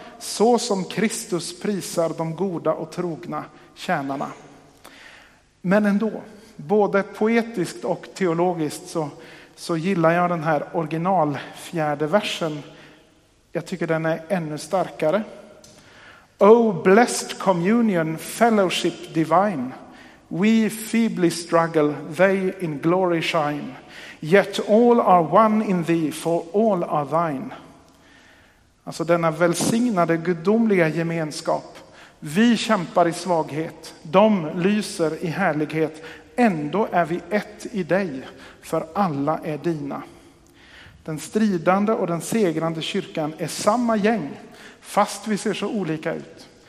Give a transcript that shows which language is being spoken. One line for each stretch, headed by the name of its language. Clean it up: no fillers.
Swedish: Så som Kristus prisar de goda och trogna tjänarna. Men ändå, både poetiskt och teologiskt så gillar jag den här original fjärde versen. Jag tycker den är ännu starkare.
English: Oh, blessed communion, fellowship divine. We feebly struggle, they in glory shine. Yet all are one in thee, for all are thine.
Swedish: Alltså denna välsignade gudomliga gemenskap. Vi kämpar i svaghet, de lyser i härlighet. Ändå är vi ett i dig, för alla är dina. Den stridande och den segrande kyrkan är samma gäng, fast vi ser så olika ut.